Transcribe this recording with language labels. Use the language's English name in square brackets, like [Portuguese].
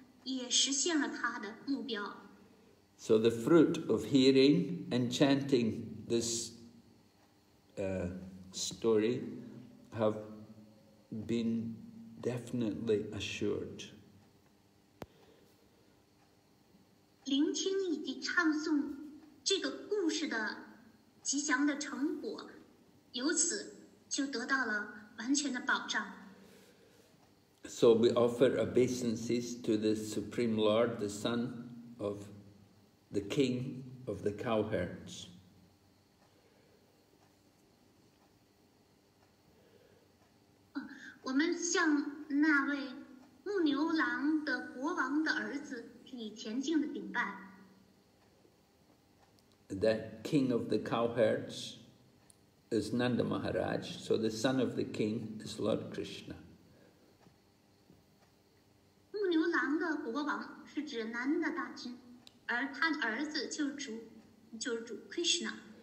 [Chinese] 也实现了他的目标。 [English] So the fruit of hearing and chanting this story have been definitely assured. [Chinese] 聆听以及唱诵这个故事的吉祥的成果，由此就得到了完全的保障。 [English] So we offer obeisances to the Supreme Lord, the Son of the King of the Cowherds. [Chinese] 我们向那位牧牛郎的国王的儿子以虔敬的顶拜。 [English] The King of the Cowherds is Nanda Maharaj, so the son of the king is Lord Krishna. [Chinese] 牧牛郎的国王是指南的大君，而他的儿子就是主 Krishna.